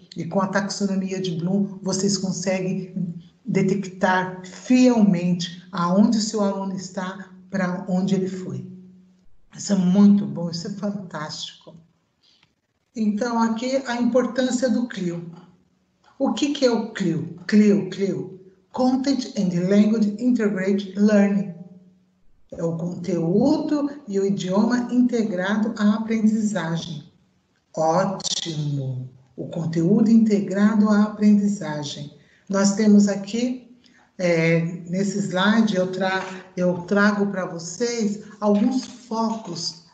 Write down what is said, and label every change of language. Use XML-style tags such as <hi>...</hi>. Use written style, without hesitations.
<pt>E com a taxonomia de Bloom, vocês conseguem detectar fielmente aonde seu aluno está, para onde ele foi. Isso é muito bom, isso é fantástico. Então, aqui a importância do CLIO. O que que é o CLIO? CLIO, CLIO.</pt> <en>Content and Language Integrated Learning.</en> <pt>É o conteúdo e o idioma integrado à aprendizagem. Ótimo! O conteúdo integrado à aprendizagem. Nós temos aqui, nesse slide, eu trago para vocês alguns focos.</pt>